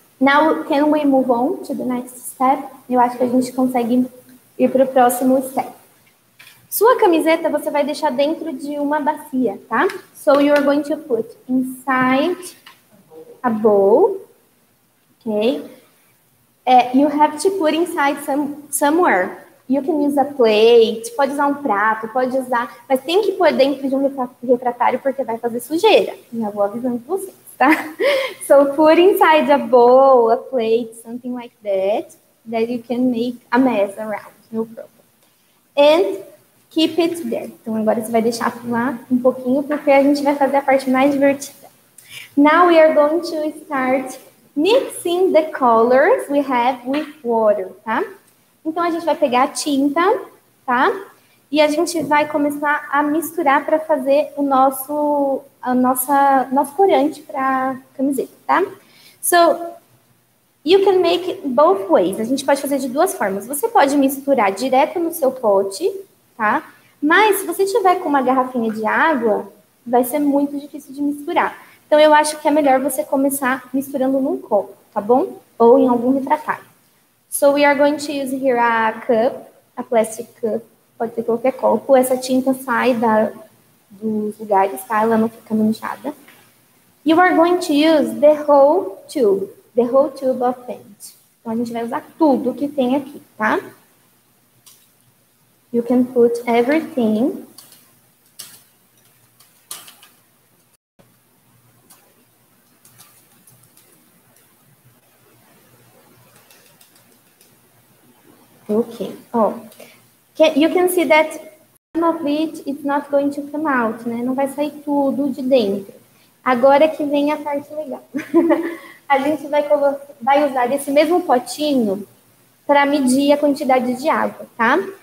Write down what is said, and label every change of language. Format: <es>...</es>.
<en>Now, can we move on to the next step?</en> <pt>Eu acho que a gente consegue ir para o próximo step. Sua camiseta você vai deixar dentro de uma bacia, tá?</pt> <en>So, you are going to put inside a bowl, okay? You have to put inside somewhere. You can use a plate,</en> <pt>pode usar um prato, pode usar, mas tem que pôr dentro de um refratário porque vai fazer sujeira. Já vou avisando vocês, tá?</pt> <en>So put inside a bowl, a plate, something like that you can make a mess around, no problem. And keep it there.</en> <pt>Então agora você vai deixar lá um pouquinho porque a gente vai fazer a parte mais divertida.</pt> <en>Now we are going to start mixing the colors we have with water, tá?</en> <pt>Então, a gente vai pegar a tinta, tá? E a gente vai começar a misturar para fazer o nosso corante para camiseta, tá?</pt> <en>So, you can make it both ways.</en> <pt>A gente pode fazer de duas formas. Você pode misturar direto no seu pote, tá? Mas, se você tiver com uma garrafinha de água, vai ser muito difícil de misturar. Então, eu acho que é melhor você começar misturando num copo, tá bom? Ou em algum refratário.</pt> <en>So we are going to use here a cup, a plastic cup,</en> <pt>pode ser qualquer copo. Essa tinta sai dos lugares, tá? Ela não fica manchada.</pt> <en>You are going to use the whole tube of paint.</en> <pt>Então a gente vai usar tudo que tem aqui, tá?</pt> <en>You can put everything. Okay. Oh, you can see that some of it is not going to come out, né?</en> <pt>Não vai sair tudo de dentro. Agora que vem a parte legal. A gente vai usar esse mesmo potinho para medir a quantidade de água, tá?</pt>